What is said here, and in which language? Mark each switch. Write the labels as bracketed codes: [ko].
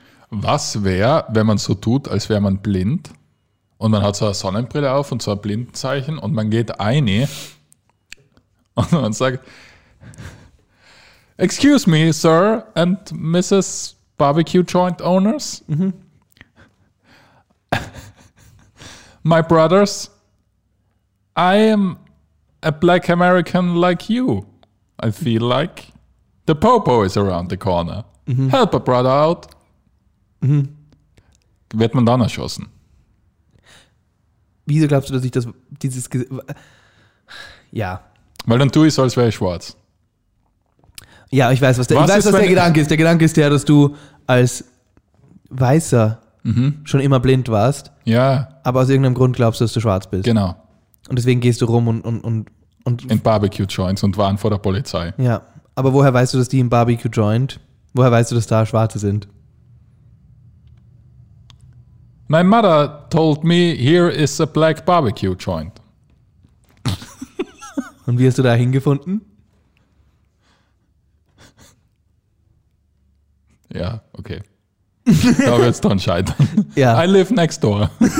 [de] Was wäre, wenn man so tut, als wäre man blind und man hat so eine Sonnenbrille auf und so ein Blindzeichen und man geht eine und man sagt, [en] excuse me, sir and Mrs. Barbecue Joint Owners. Mm-hmm. My brothers, I am a black American like you. I feel like the popo is around the corner. Mm-hmm. Help a brother out. Mm-hmm. [de] Wird man dann erschossen? Wieso glaubst du, dass ich das, dieses, ja. Weil dann tue ich so, als wäre ich schwarz. Ja, ich weiß, was der Gedanke ist. Der Gedanke ist der, dass du als Weißer schon immer blind warst. Ja. Aber aus irgendeinem Grund glaubst du, dass du schwarz bist. Genau. Und deswegen gehst du rum und in Barbecue-Joints und waren vor der Polizei. Ja. Aber woher weißt du, dass die im Barbecue-Joint, woher weißt du, dass da Schwarze sind? [en] My mother told me, here is a black barbecue-Joint. [de] Und wie hast du da hingefunden? Ja, okay. Da wird es dann scheitern. Ja. [en] I live next door.